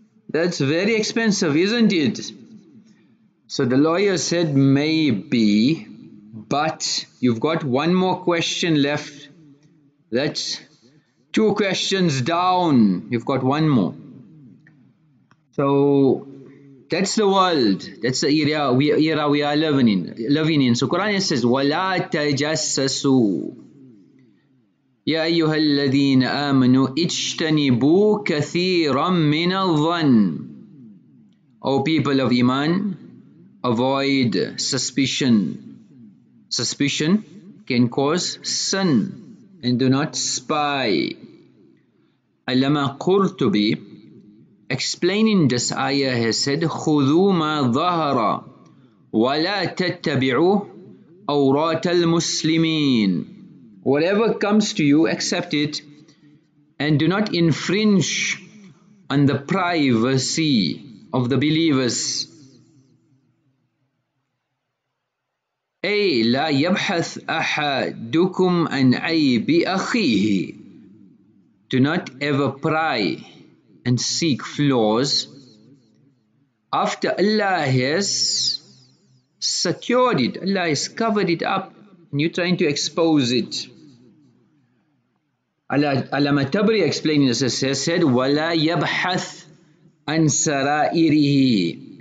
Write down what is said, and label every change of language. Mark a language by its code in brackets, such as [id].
[en] That's very expensive, isn't it? So the lawyer said, maybe, but you've got one more question left. That's 2 questions down. You've got one more. So that's the world. That's the era we are living in. [ar] So Quran says, وَلَا تَجَسَّسُوا يَا أَيُّهَا الَّذِينَ آمَنُوا اِجْتَنِبُوا كَثِيرًا مِّنَ الظَّنِّ. [en] O people of Iman, avoid suspicion. Suspicion can cause sin, and do not spy. Allama Qurtubi, explaining this ayah, he said, [ar] خُذُوا مَا ظَهَرَ وَلَا تَتَّبِعُوا أَوْرَاتَ الْمُسْلِمِينَ. [en] Whatever comes to you, accept it, and do not infringe on the privacy of the believers. [ar] أي لا يبحث أحدكم عن عيب أخيه. [en] Do not ever pry and seek flaws after Allah has secured it, Allah has covered it up, and you're trying to expose it. Allama Tabari explaining this, he said, [ar] وَلَا يَبْحَثْ عَنْ سَرَائِرِهِ.